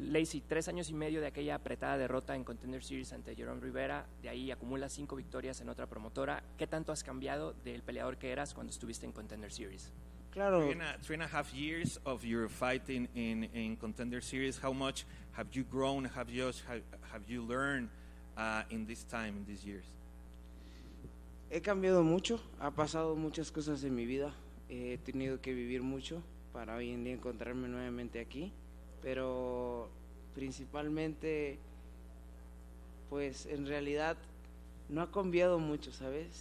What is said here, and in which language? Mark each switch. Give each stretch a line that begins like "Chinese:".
Spanish: Lacey, 3 años y medio de aquella apretada derrota en Contender Series ante Jerome Rivera, de ahí acumula 5 victorias en otra promotora. ¿Qué tanto has cambiado del peleador que eras cuando estuviste en Contender Series? Claro.
English: Three and a half years of your fighting in Contender Series, how much have you grown, have you learned in this time, in these years?
Spanish: He cambiado mucho, ha pasado muchas cosas en mi vida, he tenido que vivir mucho para hoy en día encontrarme nuevamente aquí, pero principalmente, pues en realidad no ha cambiado mucho, ¿sabes?